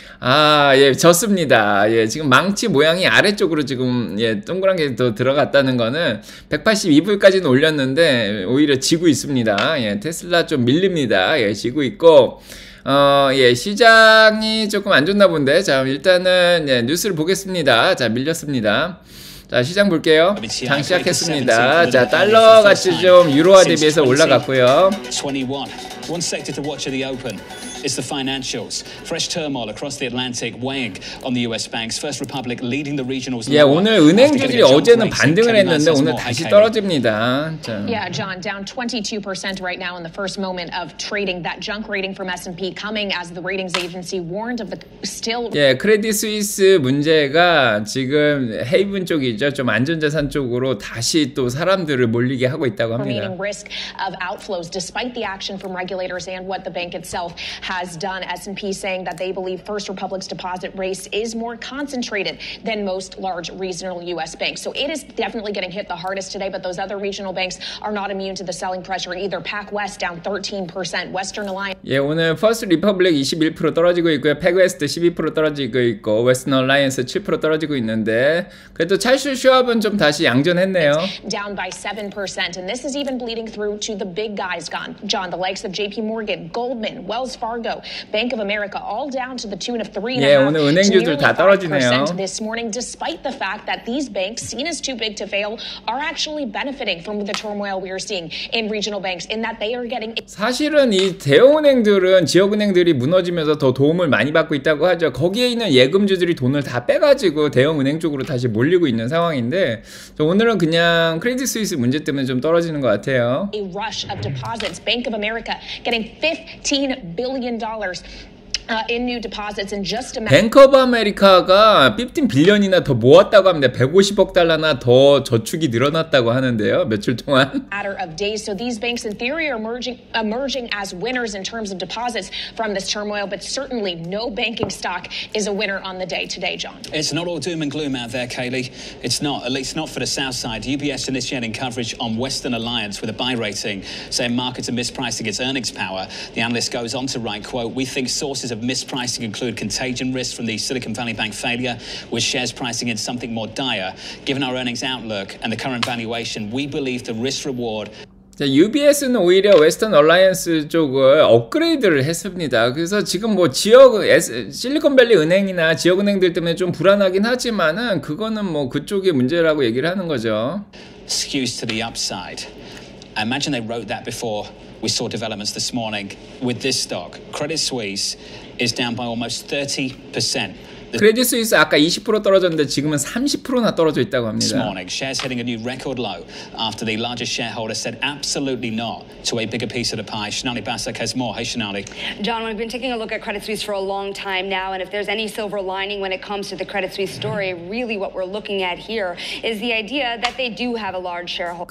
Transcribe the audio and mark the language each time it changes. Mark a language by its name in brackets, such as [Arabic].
[Korean] 아, 예, 졌습니다. 예, 지금 망치 모양이 아래쪽으로 지금, 예, 동그란 게더 들어갔다는 거는 182불까지는 올렸는데, 오히려 지고 있습니다. 예, 테슬라 좀 밀립니다. 예, 지고 있고. 예, 시장이 조금 안 좋나 본데. 자, 일단은, 예, 뉴스를 보겠습니다. 자, 밀렸습니다. 자, 시장 볼게요. 장 시작했습니다. 자, 달러 가치 좀 유로화 대비해서 올라갔고요. [English] One sector to watch at the open is the financials. Fresh turmoil across the Atlantic weighing on the US banks. First Republic leading the regionals. [Korean] 예, 오늘 은행주들이 어제는 반등을 했는데 오늘 다시 떨어집니다. 자. [English] Yeah, John, down 22% right now in the first moment of trading. That junk rating from S&P coming as the ratings agency warned of the still. [Korean] 예, 크레딧 스위스 문제가 지금 헤이븐 쪽이죠. 좀 안전자산 쪽으로 다시 또 사람들을 몰리게 하고 있다고 합니다. [English] Risk of outflows despite the action from regulators and what the bank itself has done. S&P saying that they believe First Republic's deposit race is more concentrated than most large regional U.S. banks. So it is definitely getting hit the hardest today, but those other regional banks are not immune to the selling pressure either. PacWest down 13%. Western Alliance. [Korean] 예, 오늘 First Republic 21% 떨어지고 있고요. PacWest 12% 떨어지고 있고, Western Alliance 7% 떨어지고 있는데, 그래도 찰스 슈왑은 좀 다시 양전했네요. [English] Down by 7%. And this is even bleeding through to the big guys, John. The likes of JP Morgan, Goldman, Wells Fargo. Fargo, Bank of America, all down to the tune of 3.5%. [Korean] 오늘 은행주들 다 떨어지네요. [English] This morning, despite the fact that these banks, seen as too big to fail, are actually benefiting from the turmoil we are seeing in regional banks, in that they are getting. [Korean] 사실은 이 대형은행들은 지역은행들이 무너지면서 더 도움을 많이 받고 있다고 하죠. 거기에 있는 예금주들이 돈을 다 빼가지고 대형은행 쪽으로 다시 몰리고 있는 상황인데, 오늘은 그냥 크레딧 스위스 문제 때문에 좀 떨어지는 것 같아요. [English] A rush of deposits. Bank of America getting $15 billion. In new deposits and just a [Korean] Bank of America가 15빌리언이나 더 모았다고 합니다. 150억 달러나 더 저축이 늘어났다고 하는데요. 며칠 동안. [English] Matter of days. So these banks in theory are emerging as winners in terms of deposits from this turmoil, but certainly no banking stock is a winner on the day today, John. It's not all doom and gloom out there, Kaylee. It's not, at least not for the south side. UBS initiating coverage on Western Alliance with a buy rating, saying markets are mispricing its earnings power. The analyst goes on to write, quote, we think sources of mispricing include contagion risk from the Silicon Valley Bank failure, with shares pricing in something more dire. Given our earnings outlook and the current valuation, we believe the risk reward. [Korean] UBS는 오히려 웨스턴 얼라이언스 쪽을 업그레이드를 했습니다. 그래서 지금 뭐 지역 실리콘밸리 은행이나 지역 은행들 때문에 좀 불안하긴 하지만은 그거는 뭐 그쪽의 문제라고 얘기를 하는 거죠. [English] Excuse to the upside. I imagine they wrote that before we saw developments this morning with this stock. Credit Suisse is down by almost 30%. [Korean] 크레딧 스위스 아까 20% 떨어졌는데 지금은 30%나 떨어져 있다고 합니다. [English] This morning, shares hitting a new record low after the largest shareholder said absolutely not to a bigger piece of the pie. Shanali Basak has more. Hey, Shanali. John, we've been taking a look at Credit Suisse for a long time now, and if there's any silver lining when it comes to the Credit Suisse story, really what we're looking at here is the idea that they do have a large shareholder.